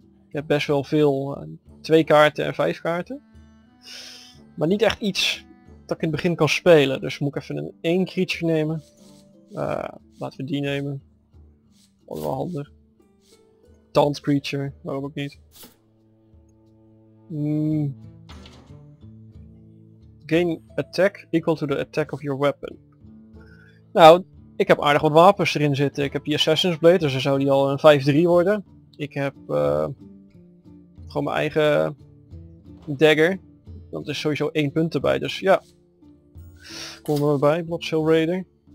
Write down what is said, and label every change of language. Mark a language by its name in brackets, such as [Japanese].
[Dutch] Je hebt best wel veel 2 kaarten en 5 kaarten. Maar niet echt iets dat ik in het begin kan spelen. Dus moet ik even een 1 creature nemen. Laten we die nemen. Wat wel handig. Taunt creature, waarom ook niet. [English] Gain attack equal to the attack of your weapon. [Dutch] Nou, ik heb aardig wat wapens erin zitten. Ik heb die Assassin's Blade, dus dan zou die al een 5-3 worden. Ik heb gewoon mijn eigen dagger. Dat is sowieso 1 punt erbij, dus ja. Komen we erbij, Bloodsail Raider.